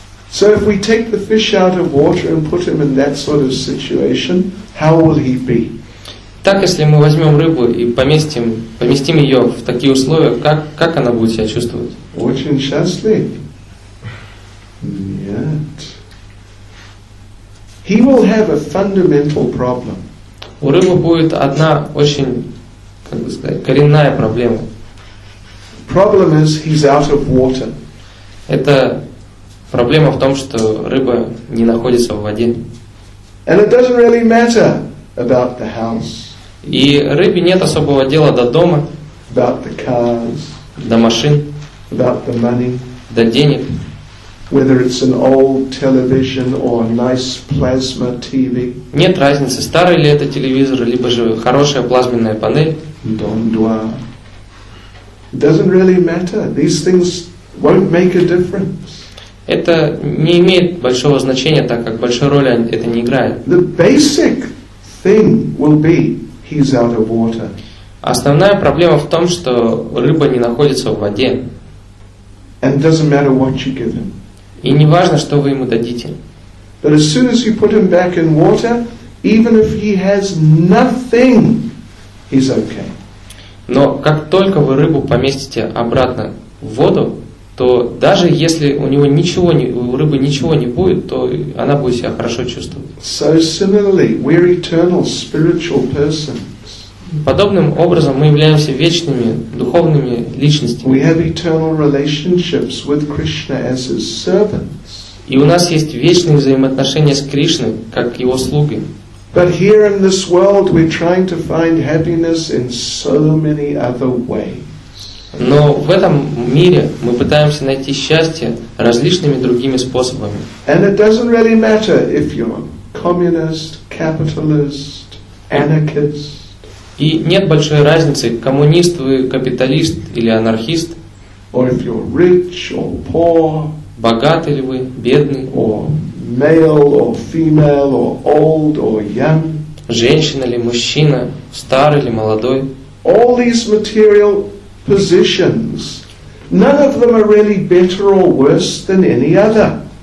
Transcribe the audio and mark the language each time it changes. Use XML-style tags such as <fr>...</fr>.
<en>So if we take the fish out of water and put him in that sort of situation, how will he be?</en> <ru>Так, если мы возьмем рыбу и поместим ее в такие условия, как она будет себя чувствовать? Очень счастлив. Нет.</ru> <en>He will have a fundamental problem.</en> <ru>У рыбы будет одна очень, как бы сказать, коренная проблема.</ru> <en>Problem is he's out of water.</en> <ru>Это проблема в том, что рыба не находится в воде.</ru> <en>And it doesn't really matter about the house.</en> <ru>И рыбе нет особого дела до дома.</ru> <en>About the cars.</en> <ru>До машин.</ru> <en>About the money.</en> <ru>До денег.</ru> <en>Whether it's an old television or a nice plasma TV.</en> <ru>Нет разницы, старый ли это телевизор, либо же хорошая плазменная панель.</ru> <en>Дондуа. Doesn't really matter. These things won't make a difference.</en> <ru>Это не имеет большого значения, так как большой роли это не играет.</ru> <en>The basic thing will be he's out of water.</en> <ru>Основная проблема в том, что рыба не находится в воде.</ru> <en>And doesn't matter what you give him.</en> <ru>И не важно, что вы ему дадите.</ru> <en>But as soon as you put him back in water, even if he has nothing, he's okay.</en> <ru>Но как только вы рыбу поместите обратно в воду, то то даже если у него ничего не, у рыбы ничего не будет, то она будет себя хорошо чувствовать.</ru> <en>So similarly, we're eternal spiritual persons.</en> <ru>Подобным образом мы являемся вечными духовными личностями.</ru> <en>We have eternal relationships with Krishna as his servants.</en> <ru>И у нас есть вечные взаимоотношения с Кришной как его слугой.</ru> <en>But here in this world we're trying to find happiness in so many other ways.</en> <ru>Но в этом мире мы пытаемся найти счастье различными другими способами.</ru> <en>And it doesn't really matter if you're communist, capitalist, anarchist.</en> <ru>И нет большой разницы, коммунист вы, капиталист или анархист.</ru> <en>Or if you're rich or poor.</en> <ru>Богаты ли вы, бедный.</ru> <en>Or male or female or old or young.</en> <ru>Женщина ли, мужчина, старый или молодой.</ru> <en>All these material positions. None of them are really better or worse than any other.</en>